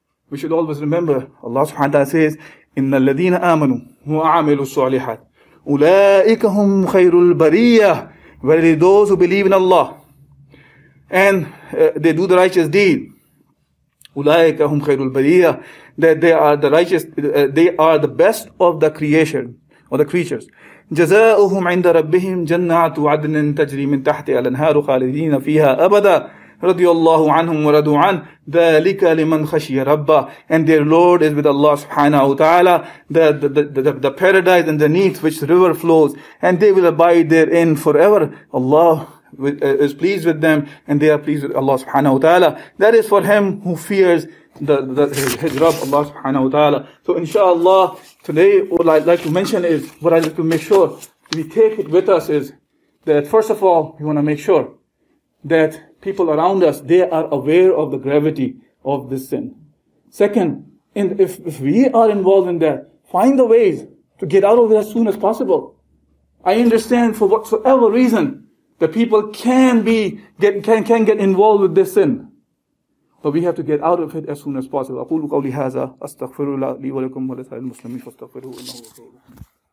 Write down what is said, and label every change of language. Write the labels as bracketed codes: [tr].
[en] We should always remember, Allah subhanahu wa ta'ala says, [ar] إِنَّ الَّذِينَ آمَنُوا وَعَامِلُوا الصَّالِحَاتِ أُولَٰئِكَ هُمْ خَيْرُ الْبَرِيَّةِ. [en] Verily those who believe in Allah and they do the righteous deed, [ar] أُولَٰئِكَ هُمْ خَيْرُ الْبَرِيَّةِ, [en] that they are the righteous, they are the best of the creation, or the creatures. [ar] جزاؤهم عند ربهم جنات عدن تجري من تحتها الانهار خالدين فيها ابدا رضي الله عنهم ورضوا عن ذلك لمن خشي ربه. [en] And their Lord is with Allah سبحانه وتعالى, the paradise underneath which the river flows, and they will abide therein forever. Allah is pleased with them, and they are pleased with Allah سبحانه وتعالى. That is for him who fears his Rabb, Allah سبحانه وتعالى. So inshallah, today what I'd like to mention is, what I'd like to make sure we take it with us is, that first of all, we want to make sure that people around us, they are aware of the gravity of this sin. Second, and if we are involved in that, find the ways to get out of it as soon as possible. I understand for whatsoever reason the people can get involved with this sin. But we have to get out of it as soon as possible. [ar] أقول قولي هذا أستغفر الله لي ولكم ولسائر المسلمين فاستغفروه إنه غفور رحيم.